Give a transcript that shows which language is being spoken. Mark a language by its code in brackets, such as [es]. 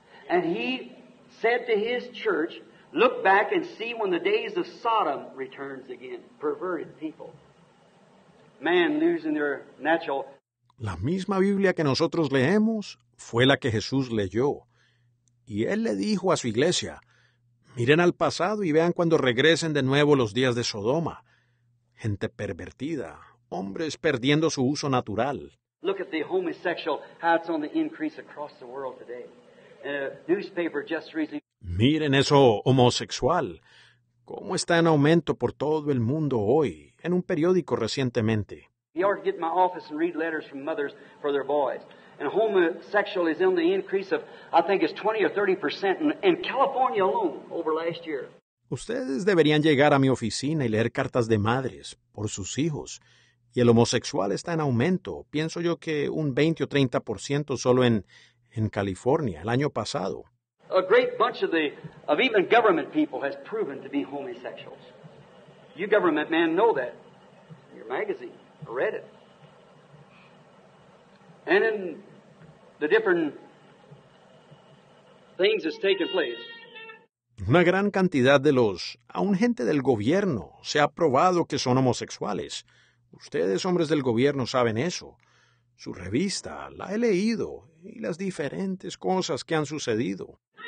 [en] And he said to his church, look back and see when the days of Sodom returns again. Perverted people. Man losing their natural. [es] La misma Biblia que nosotros leemos fue la que Jesús leyó. Y él le dijo a su iglesia, miren al pasado y vean cuando regresen de nuevo los días de Sodoma. Gente pervertida, hombres perdiendo su uso natural. [en] Look at the homosexual, how it's on the increase across the world today. Newspaper just recently. [es] Miren eso homosexual, cómo está en aumento por todo el mundo hoy, en un periódico recientemente. [en] You ought to get in my office and read letters from mothers for their boys. And homosexual is on the increase of, I think it's 20% or 30% in California alone over last year. [es] Ustedes deberían llegar a mi oficina y leer cartas de madres por sus hijos. Y el homosexual está en aumento, pienso yo que un 20% o 30% solo en California el año pasado. [en] A great bunch of even government people has proven to be homosexuals. You government men know that. In your magazine, I read it. And in the different things that's taken place. [es] Una gran cantidad de los, aun gente del gobierno, se ha probado que son homosexuales. Ustedes, hombres del gobierno, saben eso. Su revista, la he leído, y las diferentes cosas que han sucedido.